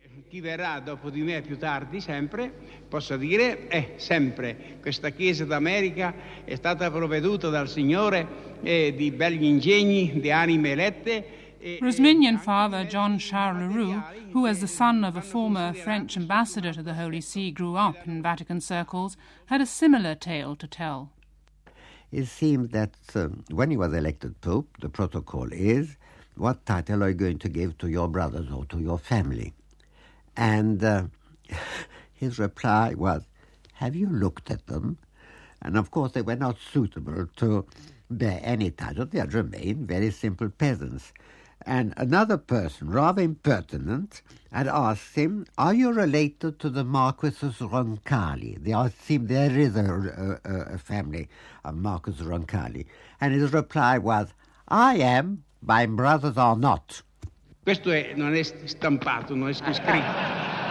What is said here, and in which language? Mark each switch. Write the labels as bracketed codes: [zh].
[it] Chi verrà dopo di me più tardi sempre, posso dire, sempre, questa Chiesa d'America è stata provveduta dal Signore di begli ingegni, di anime elette. [en] Rosminian father John Charles Leroux, who as the son of a former French ambassador to the Holy See grew up in Vatican circles, had a similar tale to tell. It seemed that when he was elected Pope, the protocol is, what title are you going to give to your brothers or to your family? And his reply was, have you looked at them? And of course they were not suitable to bear any title. They had remained very simple peasants. And another person, rather impertinent, had asked him, are you related to the Marquis of Roncalli? They seemed there is a family of Marquis of Roncalli. And his reply was, I am, My brothers are not. [it] Questo è, non è stampato, non è scritto.